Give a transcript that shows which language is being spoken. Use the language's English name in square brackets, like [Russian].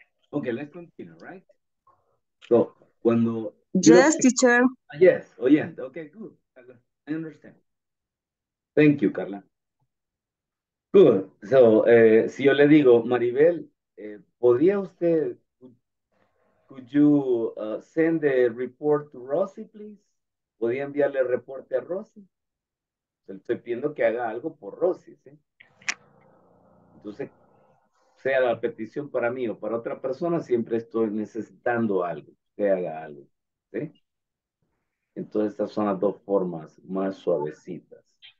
[English] Ok, let's continue, right? So, [Spanish] cuando... [English] Yes, teacher. Yes, oyente. Ok, good. I understand. Thank you, Carla. Good. [Spanish] So, si yo le digo, Maribel, ¿podría usted... [English] Could you send the report to Rosie, please? [Spanish] ¿Podría enviarle el reporte a Rosie? Le estoy pidiendo que haga algo por Rosie, ¿sí? Entonces, sea la petición para mí o para otra persona, siempre estoy necesitando algo, que haga algo, ¿sí? Entonces, estas son las dos formas más suavecitas.